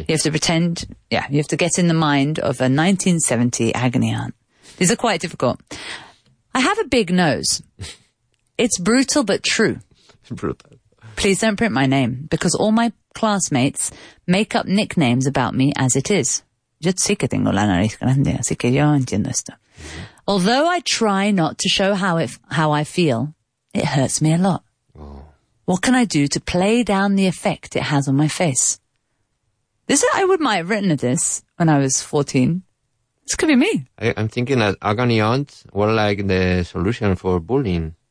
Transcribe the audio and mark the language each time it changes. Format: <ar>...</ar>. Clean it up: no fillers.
<en>You have to pretend, yeah, you have to get in the mind of a 1970 agony aunt. These are quite difficult. I have a big nose. It's brutal but true. Brutal. Please don't print my name, because all my classmates make up nicknames about me as it is.</en> <es>Yo sí que tengo la nariz grande, así que yo entiendo esto.</es> <en>Although I try not to show how I feel, it hurts me a lot. What can I do to play down the effect it has on my face? I might have written this when I was 14. This could be me. I'm thinking that agony aunts were like the solution for bullying.</en>